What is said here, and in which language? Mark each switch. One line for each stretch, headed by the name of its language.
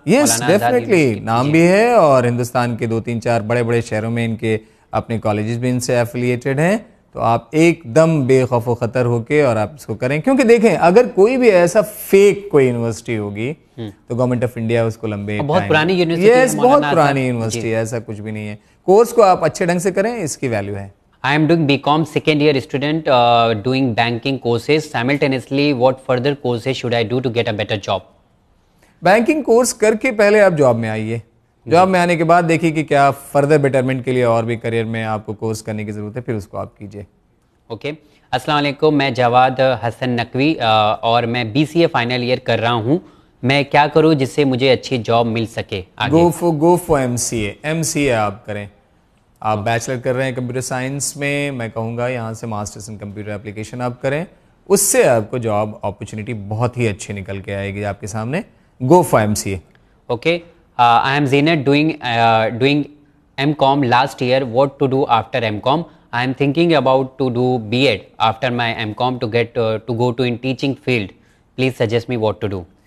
Urdu: Yes definitely نام بھی ہے, اور ہندوستان کے 2-3-4 بڑے بڑے شہروں میں ان کے اپنے کالجز بھی ان سے ایفیلیٹڈ ہیں. تو آپ ایک دم بے خوف و خطر ہو کے اور آپ اس کو کریں, کیونکہ دیکھیں اگر کوئی بھی ایسا فیک کوئی یونیورسٹی ہوگی تو گورنمنٹ آف انڈیا اس کو لمبے, بہت پرانی یونیورسٹی ہے, یس بہت پرانی یونیورسٹی ہے, ایسا کچھ بھی نہیں ہے. کورس کو آپ اچھے ڈھنگ سے کریں, اس کی ویلیو ہے.
English: I am doing BCom second year student doing banking courses simultaneously. What further courses should I do to get a better job?
Urdu: Banking course کر کے پہلے آپ جاب میں آئیے. جاب میں آنے کے بعد دیکھیے کہ کیا فردر بیٹرمنٹ کے لیے اور بھی کریئر میں آپ کو کورس کرنے کی ضرورت ہے, پھر اس کو آپ کیجیے. اوکے, السلام علیکم, میں جواد حسن نقوی اور میں B C a final year کر رہا ہوں, میں کیا کروں جس سے مجھے اچھی جاب مل سکے؟
English: Go for MCA
Urdu: آپ کریں. آپ بیچلر کر رہے ہیں کمپیوٹر سائنس میں, میں کہوں گا یہاں سے ماسٹرز ان کمپیوٹر اپلیکیشن آپ کریں, اس سے آپ کو جاب اپرچونیٹی بہت ہی اچھی نکل کے آئے گی آپ کے سامنے.
English: Go for M C A. Okay, I am Zeenat, doing M com last year, what to do after M com? I am thinking about to do B ed after my M com to get to go to in teaching field, please suggest me what to do.